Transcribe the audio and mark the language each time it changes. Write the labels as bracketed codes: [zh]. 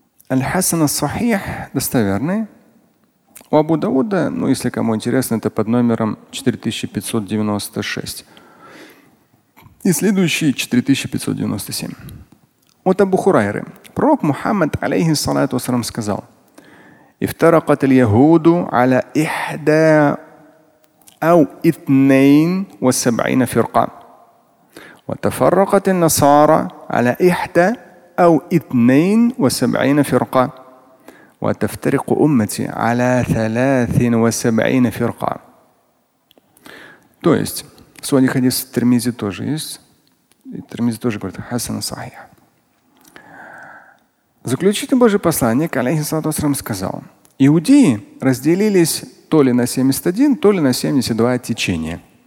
[ru] Аль-Хасан ас-Сахих, достоверный. У Абу Дауда, ну если кому интересно, это под номером 4596. И следующий 4597. От Абу Хурайры. Пророк Мухаммад, алейхи салату ас-салям, сказал: [ar] «Ифтарақат аль-Яхуду аля ихда أو اثنين وسبعين فرقة وتفرقت النصارى على إحدى أو اثنين وسبعين فرقة وتفترق أمتي على ثلاث وسبعين فرقة. [ru] То есть сегодня хадис Тирмизи тоже есть. Тирмизи тоже говорит хасан сахих. Заключительный Божий посланник алейхи салату вассалям сказал: иудеи разделились то ли на 71, то ли на 72 течения.